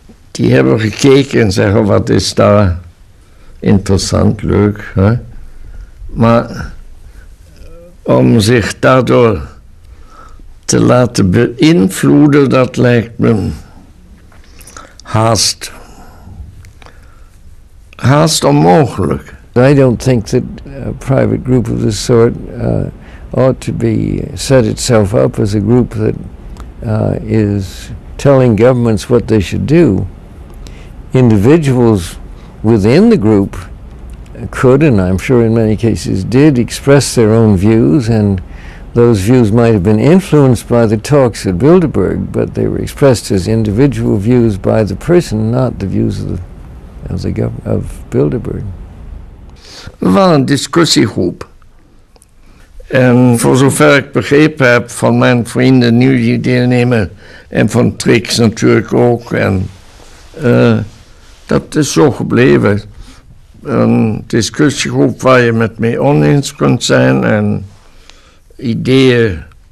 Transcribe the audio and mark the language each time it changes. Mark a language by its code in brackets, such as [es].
[nl] Die hebben gekeken en zeggen, wat is daar interessant, leuk. Hè? Maar om zich daardoor te laten beïnvloeden, dat lijkt me haast onmogelijk. [en] I don't think that a private group of this sort ought to be set itself up as a group that is telling governments what they should do. Individuals within the group could, and I'm sure in many cases did, express their own views, and those views might have been influenced by the talks at Bilderberg, but they were expressed as individual views by the person, not the views of Bilderberg. [nl] We waren een discussiegroep. En voor zover ik begrepen heb van mijn vrienden, nu die deelnemen, en van Trix natuurlijk ook, en dat is zo gebleven. Een discussiegroep waar je met mee oneens kunt zijn en ideeën.